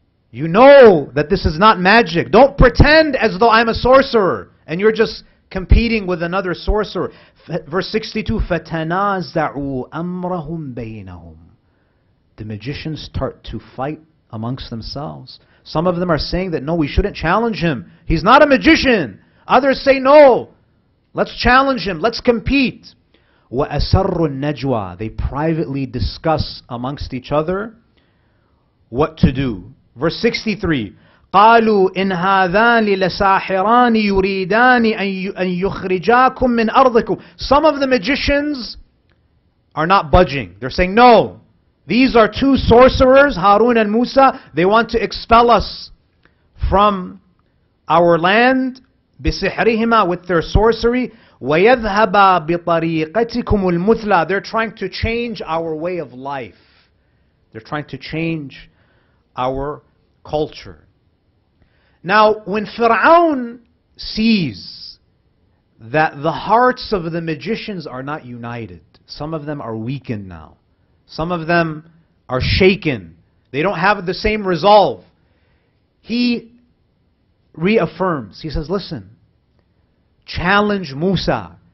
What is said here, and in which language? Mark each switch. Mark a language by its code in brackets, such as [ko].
[en] You know that this is not magic. Don't pretend as though I'm a sorcerer and you're just competing with another sorcerer. Verse 62, [ar] فَتَنَازَعُوا أَمْرَهُمْ بَيْنَهُمْ. [en] The magicians start to fight amongst themselves. Some of them are saying that, no, we shouldn't challenge him. He's not a magician. Others say, no, let's challenge him. Let's compete. [ar] وَأَسَرُّ النَّجْوَى. [en] They privately discuss amongst each other what to do. Verse 63, [ar] قالوا إن هذان لساحران يريدان أن يخرجاكم من أرضكم. [en] Some of the magicians are not budging. They're saying, no, these are two sorcerers, Harun and Musa. They want to expel us from our land [ar] بسحرهما, [en] with their sorcery. [ar] ويذهبا بطريقتكم المثلى. [en] They're trying to change our way of life. They're trying to change our culture. Now, when Fir'aun sees that the hearts of the magicians are not united, some of them are weakened now, some of them are shaken, they don't have the same resolve, he reaffirms, he says, listen, challenge Musa.